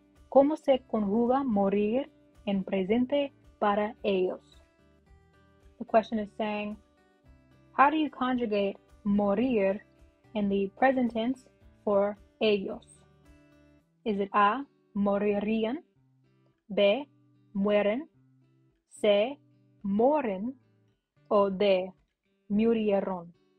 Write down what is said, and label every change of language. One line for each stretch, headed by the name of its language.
Spanish: ¿Cómo se conjuga morir en presente para ellos?
English: The question is saying, how do you conjugate morir in the present tense for ellos? Is it A, morirían, B, mueren, C, moren, o D, murieron?